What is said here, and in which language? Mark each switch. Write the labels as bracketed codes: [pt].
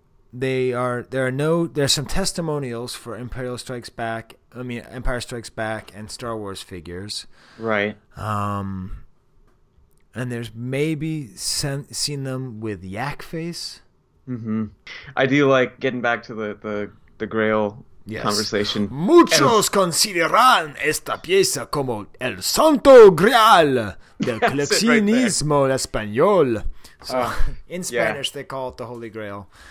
[en] There are some testimonials for Empire Strikes Back and Star Wars figures. Right. And there's maybe seen them with Yak Face. Mm-hmm. I do like getting back to the Grail. Yes. Conversation. [es] Muchos consideran esta pieza como el santo grial del coleccionismo right español. [en] So in Spanish, yeah. They call it the Holy Grail.